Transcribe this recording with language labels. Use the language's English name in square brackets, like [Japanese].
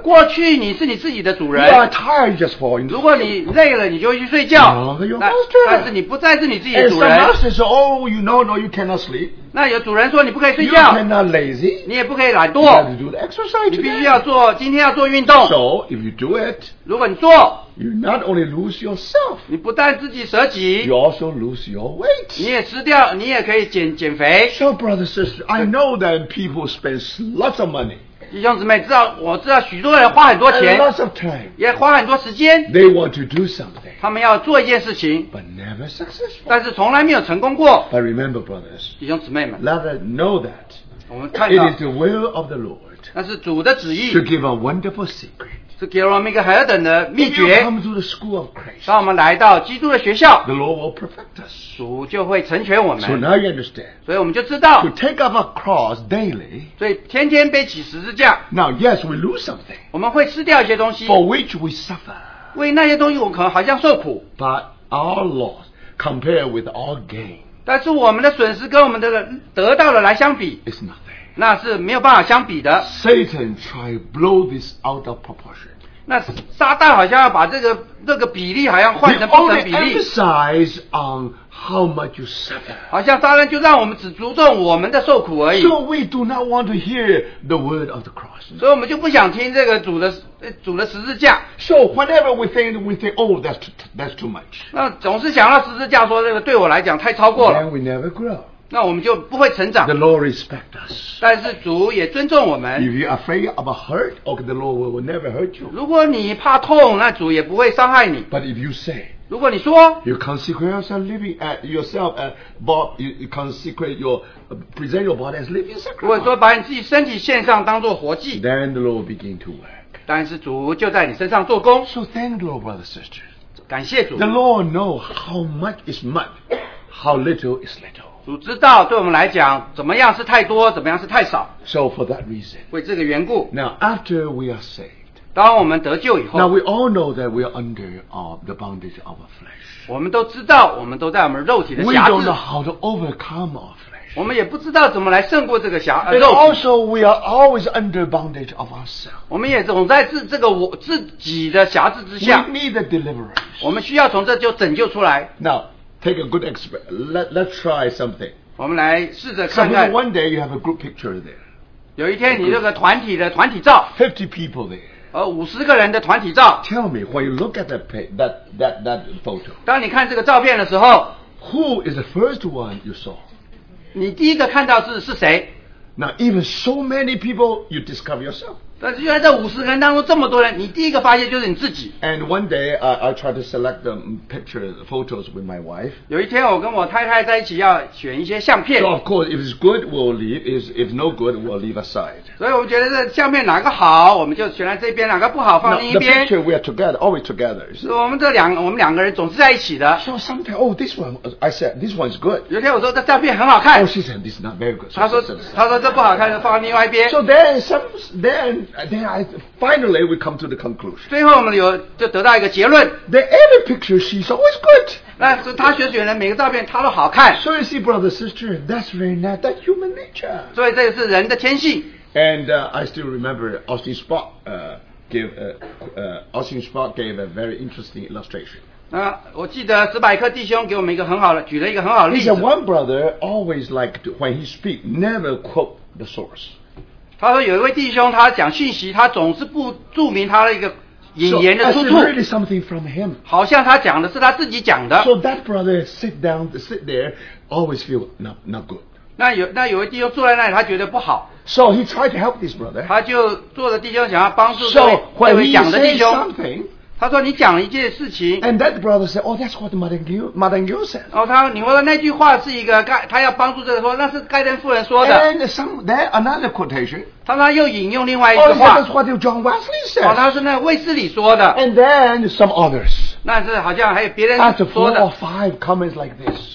[Chinese] 过去你是你自己的主人, [English] you are tired, just fall into, [Chinese] 如果你累了你就会去睡觉, [English] you are your master, [Chinese] 但是你不再是你自己的主人。 [English] And some master says, oh, you know, no, you cannot sleep, [Chinese] 那有主人说你不可以睡觉, [English] you cannot lazy, [Chinese] 你也不可以懒惰, [English] you have to do the exercise today, [Chinese] 你必须要做今天要做运动。 [English] So if you do it, [Chinese] 如果你做, [English] you not only lose yourself, [Chinese] 你不但自己舍己, [English] you also lose your weight, [Chinese] 你也吃掉, 你也可以减肥。 [English] So brothers and sisters, I know that people spend lots of money, [Chinese] 弟兄姊妹，知道我知道许多人花很多钱， [English] lots of time, [Chinese] 也花很多时间。 [English] They want to do something, [Chinese] 他们要做一件事情， [English] but never successful. [Chinese] 但是从来没有成功过。 [English] But remember, brothers, [Chinese] 弟兄姊妹们， [English] let us know that [Chinese] 我们看到 [English] it is the will of the Lord, [Chinese] 那是主的旨意， [English] to give a wonderful secret. [Chinese] 是给我们一个何等的秘诀。 [English] Come to the school of Christ, [Chinese] 让我们来到基督的学校。 [English] The Lord will perfect us. [Chinese] 主就会成全我们。 [English] So now you understand. [Chinese] 所以我们就知道。 [English] To take up a cross daily. [Chinese] 所以天天背起十字架。 [English] Now yes, we lose something. [Chinese] 我们会失掉一些东西。 [English] For which we suffer. [Chinese] 为那些东西我可能好像受苦。 [English] But our loss compared with our gain. [Chinese] 但是我们的损失跟我们的得到的来相比。 [English] It's nothing. [Chinese] 那是没有办法相比的。 [English] Satan try blow this out of proportion. [Chinese] 那撒旦好像要把这个比例好像换成不成比例。 [English] He only emphasize on how much you suffer. [Chinese] 好像撒旦就让我们只注重我们的受苦而已。 [English] So we do not want to hear the word of the cross. [Chinese] 所以我们就不想听这个主的十字架。 [English] So whenever we think, oh, that's too much. [Chinese] 那总是想到十字架说这个对我来讲太超过了。 [English] Then we never grow. [Chinese] 那我们就不会成长。 [English] The Lord respect us. [Chinese] 但是主也尊重我们。 [English] If you're afraid of a hurt, okay, the Lord will never hurt you. [Chinese] 如果你怕痛，那主也不会伤害你。 [English] But if you say, [Chinese] 如果你说 [English] ，you consecrate yourself, living at yourself, at Bob, you consecrate your, present your body as living sacrifice. [Chinese] 如果说把你自己身体献上当做活祭 [English] ，then the Lord will begin to work. [Chinese] 但是主就在你身上做工。 [English] So thank the Lord, brothers and sisters. [Chinese] 感谢主。 [English] The Lord know how much is much, how little is little. [Chinese] 主知道对我们来讲怎么样是太多怎么样是太少。 [English] So for that reason, [Chinese] 为这个缘故。 [English] Now after we are saved, [Chinese] 当我们得救以后。 [English] Now we all know that we are under the bondage of our flesh. [Chinese] 我们都知道我们都在我们肉体的辖制。 [English] We don't know how to overcome our flesh. [Chinese] 我们也不知道怎么来胜过这个辖制。 [English] And also we are always under bondage of ourselves. [Chinese] 我们也总在自己的辖制之下。 [English] We need a deliverance. [Chinese] 我们需要从这就拯救出来。 [English] Now,Take a good expert. Let's try something. [Chinese] 我们来试着看看。 [English] Suppose one day you have a group picture there. [Chinese] 有一天你这个团体的团体照。 [English] 50 people there. [Chinese] 五十个人的团体照。 [English] Tell me when you look at that photo. [Chinese] 当你看这个照片的时候。 [English] Who is the first one you saw? [Chinese] 你第一个看到是谁？ [English] Now even so many people, you discover yourself. [Chinese] 但是原来在五十个人当中这么多人，你第一个发现就是你自己。 [English] And one day, I try to select the pictures, the photos with my wife. [Chinese] 有一天我跟我太太在一起要选一些相片。 [English] So of course, if it's good, we'll leave. If no good, we'll leave aside. [Chinese] 所以我们觉得这相片哪个好，我们就选在这边；哪个不好，放另一边。 [English] Now, the picture we are together, always together. [Chinese] 是我们两个人总是在一起的。 [English] So sometimes, oh, this one, I said, this one's good. [Chinese] 有一天我说这照片很好看。 [English] Oh, she said, this is not very good. [Chinese] 她说这不好看，就放另外一边。 [English] So then I finally we come to the conclusion. [Chinese] 最后我们就得到一个结论。 [English] The every picture she's always good. [Chinese] 那是她选的每个照片，她都好看。 [English] So you see, brother, sister, that's very nice. That human nature. [Chinese] 所以这个是人的天性。 [English] And I still remember Austin Spock gave a very interesting illustration. [Chinese] 那我记得史百克弟兄给我们一个很好的举了一个很好的例子。 [English] He said one brother always liked when he speak never quote the source. [Chinese] 他说有一位弟兄他讲讯息他总是不注明他的一个引言的出处 [English] so, really something from him. [Chinese] 好像他讲的是他自己讲的 [English] so that brother sit there always feel not good. [Chinese] 那有位弟兄坐在那里他觉得不好 [English] so he tried to help this brother. [Chinese] 他就坐着弟兄想要帮助这位讲的弟兄 [English] so when he says something, [Chinese] 他说你讲了一件事情 [English] and that brother said, oh, that's what Martin Gill said. [Chinese] 然后他说你说那句话是一个他要帮助这个说那是盖登夫人说的 [English] and then another quotation. [Chinese] 他说又引用另外一句话。 [English] Oh, that's what John Wesley said. [Chinese] 他是那卫斯理说的。 [English] And then some others. [Chinese] 那是好像还有别人说的。 [English] After four or five comments like this.